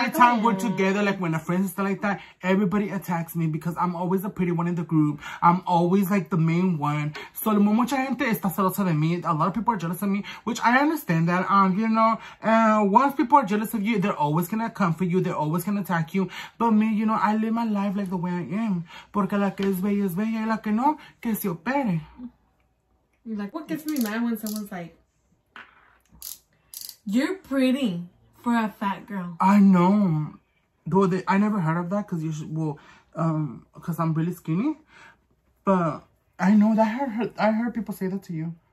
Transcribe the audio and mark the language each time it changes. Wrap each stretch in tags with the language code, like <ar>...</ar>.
<en>Every time we're together, like when a friend is like that, everybody attacks me because I'm always the pretty one in the group. I'm always like the main one. So,</en> <es>mucha gente está celosa de mí.</es> <en>A lot of people are jealous of me, which I understand that. You know, once people are jealous of you, they're always going to come for you. They're always going to attack you. But me, you know, I live my life like the way I am.</en> <es>Porque la que es bella y la que no, que se opere.</es> <en>Like, what gets me mad when someone's like, you're pretty for a fat girl. I know. Though they, I never heard of that because you should, well, because I'm really skinny. But I know that I heard people say that to you.</en>